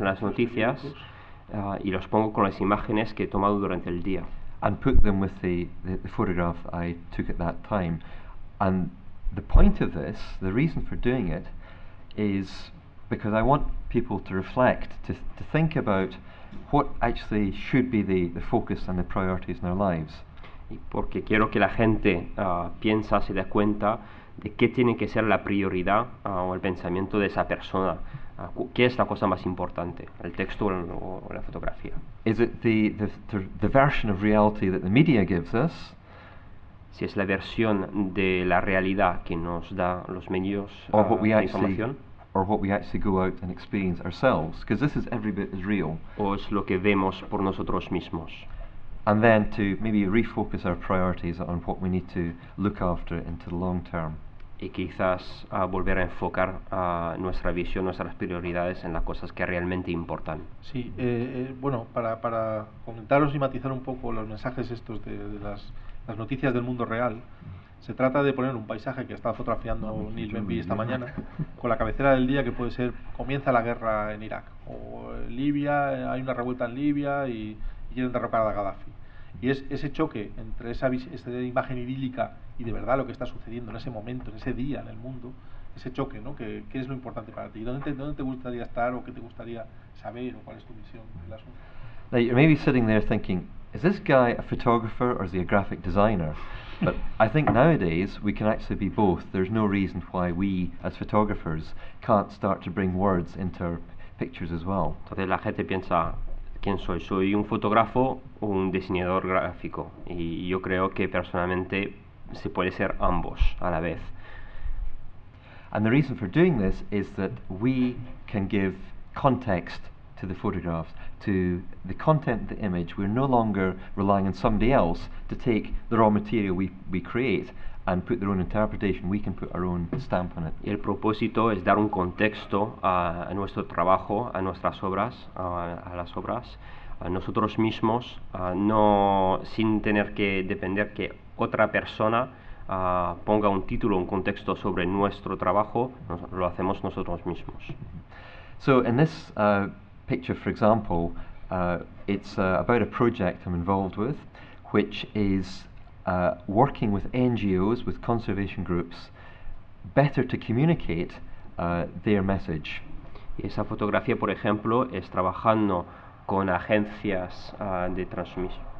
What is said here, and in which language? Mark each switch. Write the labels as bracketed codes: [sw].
[es] en las noticias, y los pongo con las imágenes que he tomado durante el día. [en] and put them with the photograph I took at that time. And the point of this, the reason for doing it, is because I want people to reflect, to think about what actually should be the focus and the priorities in their lives. [es] Y porque quiero que la gente piensa, se dé cuenta de qué tiene que ser la prioridad o el pensamiento de esa persona. ¿Qué es la cosa más importante, el texto o la fotografía? [en] Is it the version of reality that the media gives us? [es] Si es la versión de la realidad que nos da los medios de información. [en] Or what we actually go out and experience ourselves, because this is every bit as real. [es] O es lo que vemos por nosotros mismos. [en] And then to maybe refocus our priorities on what we need to look after into the long term. [es] Y quizás volver a enfocar nuestra visión, nuestras prioridades en las cosas que realmente importan. Sí, bueno, para comentaros y matizar un poco los mensajes estos de las noticias del mundo real, se trata de poner un paisaje que estaba fotografiando Niall Benvie esta mañana, con la cabecera del día que puede ser comienza la guerra en Irak, o en Libia, hay una revuelta en Libia y quieren derrocar a Gaddafi. Y es ese choque entre esa imagen idílica y de verdad lo que está sucediendo en ese momento, en ese día, en el mundo, ese choque, ¿no? ¿Qué es lo importante para ti? ¿Dónde te gustaría estar o qué te gustaría saber o cuál es tu visión del asunto? [en] Now you may be sitting there thinking, is this guy a photographer or is he a graphic designer? But I think nowadays we can actually be both. There's no reason why we, as photographers, can't start to bring words into our pictures as well. [es] Entonces la gente piensa, ¿quién soy? ¿Soy un fotógrafo o un diseñador gráfico? Y yo creo que personalmente se puede ser ambos a la vez. [en] And the reason for doing this is that we can give context to the photographs, to the content, the image. We're no longer relying on somebody else to take the raw material we create and put their own interpretation. We can put our own stamp on it. [es] Y el propósito es dar un contexto a nuestro trabajo, a nuestras obras, a las obras, a nosotros mismos, no sin tener que depender que otra persona ponga un título, un contexto sobre nuestro trabajo. Lo hacemos nosotros mismos. [en] So in this picture, for example, it's about a project I'm involved with, which is working with NGOs, with conservation groups, better to communicate their message. [es] Y esa fotografía, por ejemplo, es trabajando con agencias de transmisión.